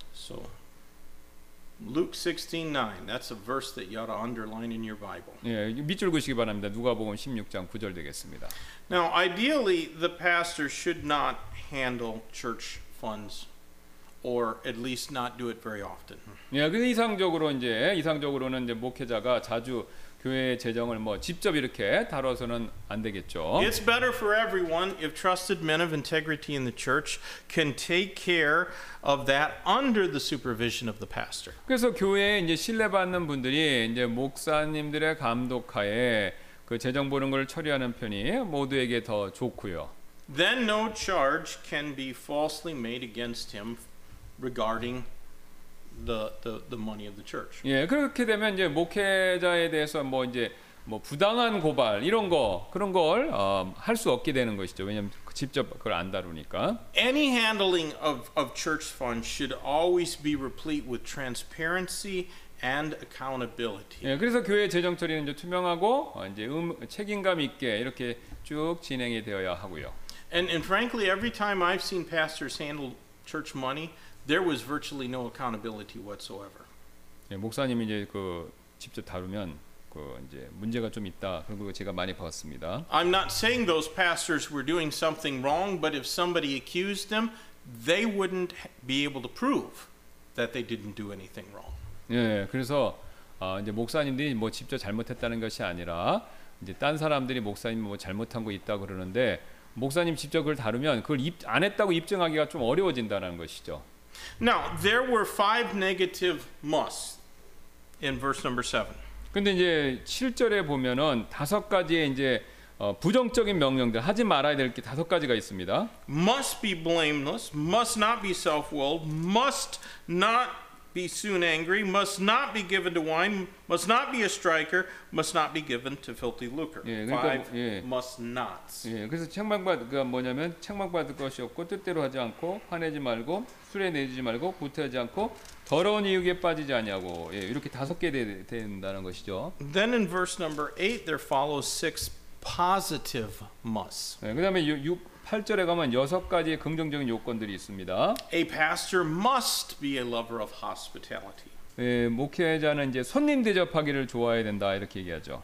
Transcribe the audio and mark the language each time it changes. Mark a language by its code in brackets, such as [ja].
[en] So, Luke 16:9. That's a verse that you ought to underline in your Bible. [ko] 예, 밑줄 그으시기 바랍니다. 누가복음 16장 9절 되겠습니다. [en] Now, ideally, the pastor should not handle church funds or at least not do it very often. [ko] 예, 근데 이상적으로는 이제 목회자가 자주 교회 재정을 뭐 직접 이렇게 다뤄서는 안 되겠죠. [en] It's better for everyone if trusted men of integrity in the church can take care of that under the supervision of the pastor. [ko] 그래서 교회에 이제 신뢰받는 분들이 이제 목사님들의 감독하에 그 재정 보는 걸 처리하는 편이 모두에게 더 좋고요. [en] Then no charge can be falsely made against him regarding the money of the church. [ko] 예, 그렇게 되면 이제 목회자에 대해서 뭐 이제 뭐 부당한 고발 이런 거 그런 걸 할 수 없게 되는 것이죠. 왜냐면 직접 그걸 안 다루니까. [en] Any handling of church funds should always be replete with transparency and accountability. [ko] 예, 그래서 교회 재정 처리는 이제 투명하고 이제 책임감 있게 이렇게 쭉 진행이 되어야 하고요. [en] And frankly, every time I've seen pastors handle church money, there was virtually no accountability whatsoever. [ko] 예, 목사님이 이제 그 직접 다루면 그 이제 문제가 좀 있다. 그런 거 제가 많이 봤습니다. [en] I'm not saying those pastors were doing something wrong, but if somebody accused them, they wouldn't be able to prove that they didn't do anything wrong. [ko] 예, 그래서 이제 목사님들이 뭐 직접 잘못했다는 것이 아니라 이제 딴 사람들이 목사님 뭐 잘못한 거 있다 그러는데 목사님 직접 그걸 다루면 그걸 안 했다고 입증하기가 좀 어려워진다는 것이죠. [en] Now there were five negative musts in verse number 7. [ko] 근데 이제 7절에 보면은 다섯 가지의 이제 부정적인 명령들 하지 말아야 될 게 다섯 가지가 있습니다. [en] Must be blameless, must not be self-willed, must not be soon angry, must not be given to wine, must not be a striker, must not be given to filthy lucre. [ko] 예, 그러니까, [en] Five [ko] 예. [en] must nots. [ko] 예, 그래서 책망받 그 뭐냐면 책망받을 것이 없고 뜻대로 하지 않고 화내지 말고 술에 내지 말고 부태하지 않고 더러운 이유에 빠지지 아니하고 예, 이렇게 다섯 개 된다는 것이죠. [en] Then in verse number 8 there follows six positive musts. [ko] 예, 그다음에 8절에 가면 여섯 가지의 긍정적인 요건들이 있습니다. [en] A pastor must be a lover of hospitality. [ko] 예, 목회자는 이제 손님 대접하기를 좋아해야 된다 이렇게 얘기하죠.